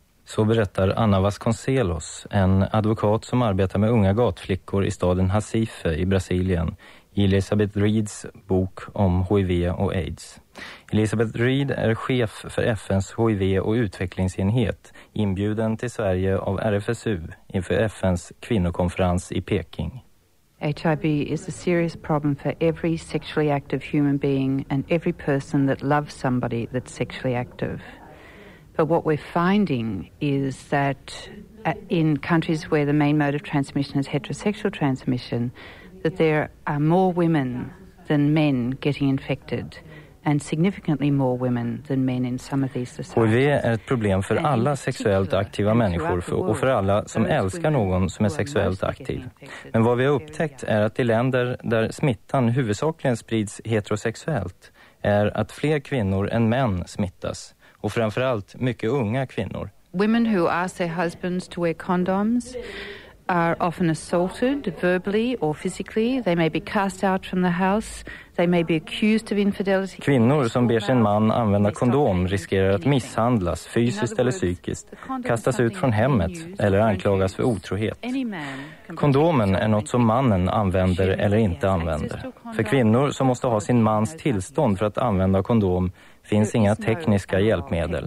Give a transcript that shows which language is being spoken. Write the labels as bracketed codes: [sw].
[sv] Så berättar Anna Vasconcelos, en advokat som arbetar med unga gatflickor i staden Recife i Brasilien, i Elizabeth Reeds bok om HIV och AIDS. Elizabeth Reed är chef för FNs HIV- och utvecklingsenhet, inbjuden till Sverige av RFSU inför FNs kvinnokonferens i Peking. [en] HIV is a serious problem for every sexually active human being and every person that loves somebody that's sexually active. But what we're finding is that in countries where the main mode of transmission is heterosexual transmission, that there are more women than men getting infected and significantly more women than men in some of these societies. [sv] HIV är ett problem för alla sexuellt aktiva människor och för alla som älskar någon som är sexuellt aktiv. Men vad vi har upptäckt är att i länder där smittan huvudsakligen sprids heterosexuellt är att fler kvinnor än män smittas. Och framförallt mycket unga kvinnor. [en] Women who ask their husbands to wear condoms are often assaulted verbally or physically. They may be cast out from the house. They may be accused of infidelity. [sv] Kvinnor som ber sin man använda kondom riskerar att misshandlas fysiskt eller psykiskt, kastas ut från hemmet eller anklagas för otrohet. Kondomen är något som mannen använder eller inte använder. För kvinnor som måste ha sin mans tillstånd för att använda kondom finns inga tekniska hjälpmedel.